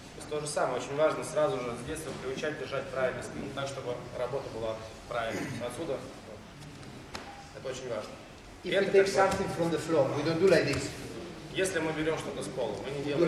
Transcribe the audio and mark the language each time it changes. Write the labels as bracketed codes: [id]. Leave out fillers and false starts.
[ru] То же самое, очень важно сразу же с детства приучать держать правильно спину, так чтобы работа была правильной. Отсюда вот. Это очень важно. [en] If we take something from the floor, we don't do like this. [ru] Если мы берем что-то с пола, мы не делаем.